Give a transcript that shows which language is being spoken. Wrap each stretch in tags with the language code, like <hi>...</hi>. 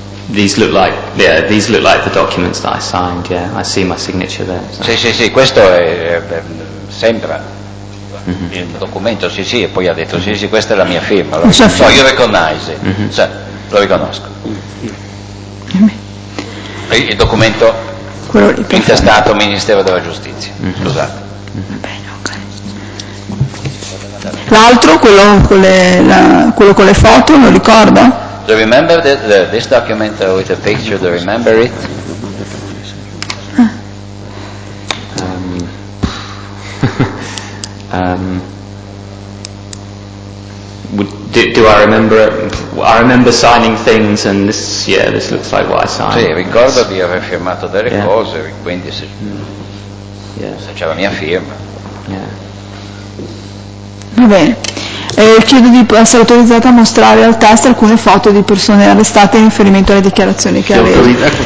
<en>These look like, yeah, these look like the documents that I signed, yeah. I see my signature there. So.</en> <it>Sì, questo è, sembra il documento, sì, e poi ha detto, sì, questa è la mia firma.</it> <en>So, you recognize it. Mm-hmm. So,</en> <it>lo riconosco. Il documento intestato Ministero della Giustizia. Scusate. L'altro, quello con le foto, lo ricorda?</it> <en>Do you remember this document with the picture? Do you remember it? Do I remember it? I remember signing things, and this looks like what I signed.</en> <it>Sì, ricordo di aver firmato delle cose, quindi se c'è la mia firma. Va bene. Chiedo di essere autorizzata a mostrare al test alcune foto di persone arrestate in riferimento alle dichiarazioni che aveva.</it>